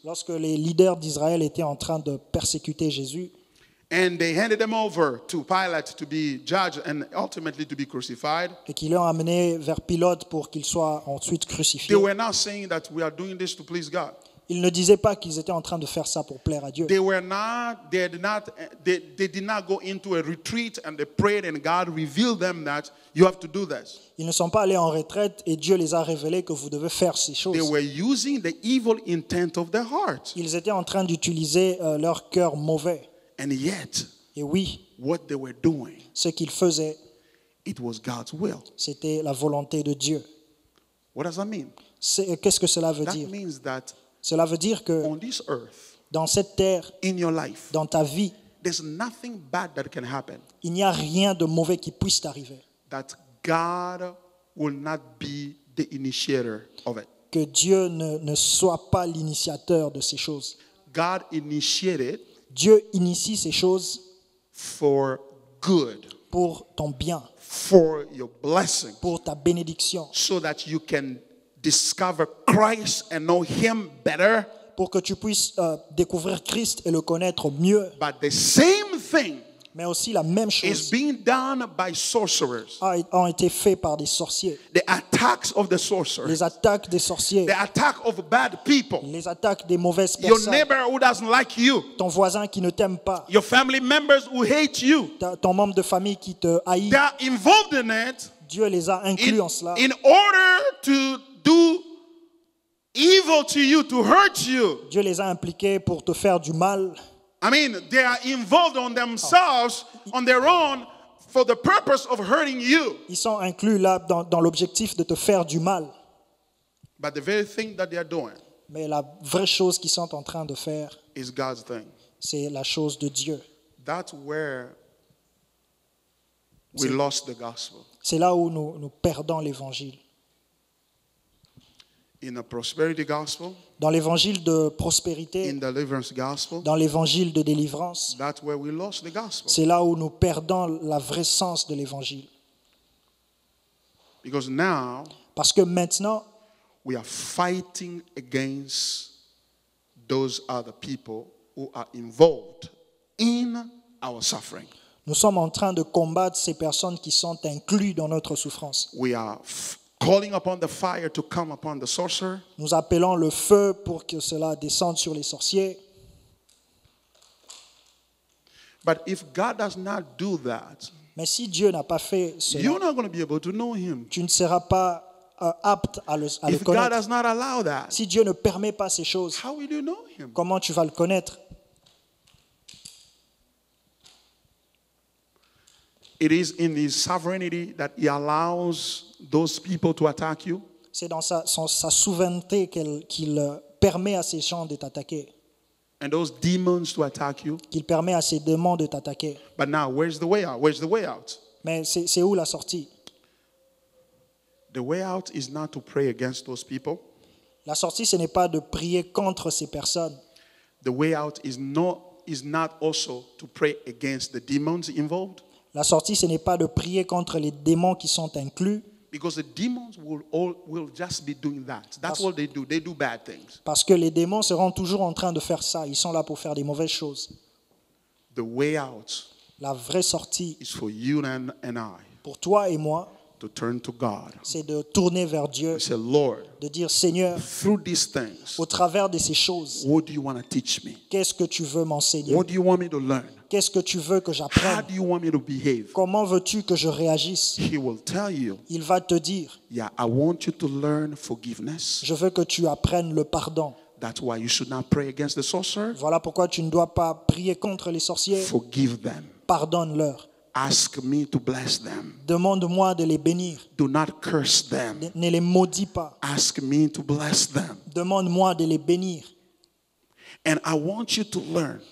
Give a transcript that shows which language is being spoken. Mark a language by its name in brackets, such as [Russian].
[French] Lorsque les leaders d'Israël étaient en train de persécuter Jésus, [English] and they handed them over to Pilate to be judged and ultimately to be crucified, [French] et qu'ils l'ont amené vers Pilate pour qu'il soit ensuite crucifié, [English] they were not saying that we are doing this to please God. [French] Ils ne disaient pas qu'ils étaient en train de faire ça pour plaire à Dieu. [English] They did not go into a retreat and they prayed and God revealed them that you have to do this. [French] Ils ne sont pas allés en retraite et Dieu les a révélé que vous devez faire ces choses. [English] They were using the evil intent of their heart. [French] Ils étaient en train d'utiliser leur cœur mauvais. [English] And yet, [French] et oui, [English] what they were doing, [French] ce qu'ils faisaient, [English] it was God's will. [French] C'était la volonté de Dieu. [English] What does that mean? [French] Qu'est-ce que cela veut [English] that [French] dire? [English] Means that [French] cela veut dire que [English] on this earth, [French] dans cette terre, [English] in your life, [French] dans ta vie, [English] there's nothing bad that can happen. [French] Il n'y a rien de mauvais qui puisse t'arriver. [English] That God will not be the initiator of it. [French] Que Dieu ne soit pas l'initiateur de ces choses. [English] God initiated. [French] Dieu initie ces choses [English] for good. [French] Pour ton bien. [English] For your blessing. [French] Pour ta bénédiction. [English] So that you can discover Christ and know him better. [French] Pour que tu puisses découvrir Christ et le connaître mieux. [English] But the same thing, [French] mais aussi la même chose [English] is being done by sorcerers. [French] Ont été faits par des sorciers. [English] The attacks of the sorcerers. [French] Les attaques des sorciers. [English] The attack of bad people. [French] Les attaques des mauvaises [English] your [French] personnes. [English] Your neighbor who doesn't like you. [French] Ton voisin qui ne t'aime pas. [English] Your family members who hate you. [French] Ton membre de famille qui te haït. [English] They are involved in it. [French] Dieu les a inclus [English] in, [French] en cela. [English] In order to do evil to you, to hurt you. [French] Dieu les a impliqués pour te faire du mal. [English] I mean, they are involved on themselves, on their own, for the purpose of hurting you. [French] Ils sont inclus là dans l'objectif de te faire du mal. [English] But the very thing that they are doing. [French] Mais la vraie chose qu'ils sont en train de faire. [English] Is God's thing. [French] C'est la chose de Dieu. [English] That's where we lost the gospel. [French] C'est là où nous perdons l'évangile. [English] In the prosperity gospel. [French] Dans l'évangile de prospérité. [English] In the deliverance gospel. [French] Dans l'évangile de délivrance. [English] That's where we lost the gospel. [French] C'est là où nous perdons la vraie sens de l'évangile. [English] Because now. [French] Parce que maintenant. [English] We are fighting against those other people who are involved in our suffering. [French] Nous sommes en train de combattre ces personnes qui sont incluses dans notre souffrance. [English] We are calling upon the fire to come upon the sorcerer. [French] Nous appelons le feu pour que cela descende sur les sorciers. [English] But if God does not do that, [French] mais si Dieu n'a pas fait cela, [English] you're not going to be able to know him. [French] Tu ne seras pas apte à le connaître. [English] If God does not allow that, [French] si Dieu ne permet pas ces choses, [English] how will you know him? [French] Comment tu vas le connaître? [English] It is in his sovereignty that he allows those people to attack you. [French] C'est dans sa souveraineté qu'il permet à ces gens de t'attaquer. [English] And those demons to attack you. [French] Qu'il permet à ces démons de t'attaquer. [English] But now, where's the way out? Where's the way out? [French] Mais c'est où la sortie? [English] The way out is not to pray against those people. [French] La sortie, ce n'est pas de prier contre ces personnes. [English] The way out is not also to pray against the demons involved. [French] La sortie, ce n'est pas de prier contre les démons qui sont inclus. [English] Because the demons will just be doing that. That's what they do. They do bad things. [French] Parce que les démons seront toujours en train de faire ça. Ils sont là pour faire des mauvaises choses. [English] The way out. [French] La vraie sortie. [English] Is for you and I. [French] Pour toi et moi. [English] To turn to God. [French] C'est de tourner vers Dieu. [English] Say, Lord. [French] De dire, Seigneur. [English] Through these things. [French] Au travers de ces choses. [English] What do you want to teach me? [French] Qu'est-ce que tu veux m'enseigner? [English] What do you want me to learn? [French] Qu'est-ce que tu veux que j'apprenne? Comment veux-tu que je réagisse? [English] He will tell you, [French] il va te dire, [English] yeah, I want you to learn forgiveness. [French] Je veux que tu apprennes le pardon. [English] That's why you should not pray against the sorcerer. [French] Voilà pourquoi tu ne dois pas prier contre les sorciers. [English] Forgive them. [French] Pardonne-leur. [English] Ask me to bless them. [French] Demande-moi de les bénir. [English] Do not curse them. [French] Ne les maudis pas. [English] Ask me to bless them. [French] Demande-moi de les bénir. [English] And I want you to learn.